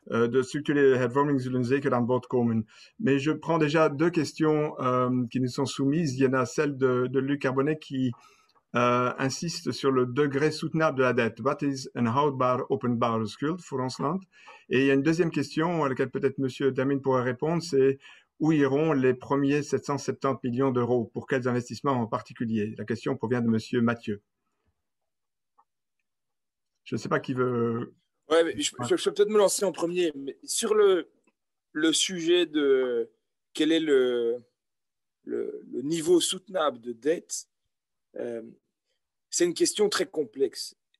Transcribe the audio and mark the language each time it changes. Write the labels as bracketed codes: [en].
[nl] De structurele hervorming zullen zeker aan bod komen. Maar [fr] je prends déjà deux questions qui nous sont soumises. Il y en a celle de Luc Carbonnet qui insiste sur le degré soutenable de la dette. [nl] What is an houdbaar openbare schuld voor ons land? [fr] Et il y a une deuxième question à laquelle peut-être Monsieur Damien pourrait répondre, c'est où iront les premiers 770 millions d'euros? Pour quels investissements en particulier? La question provient de Monsieur Mathieu. Je ne sais pas qui veut... Ouais, mais je vais peut-être me lancer en premier. Mais sur le sujet de quel est le niveau soutenable de dette, c'est une question très complexe.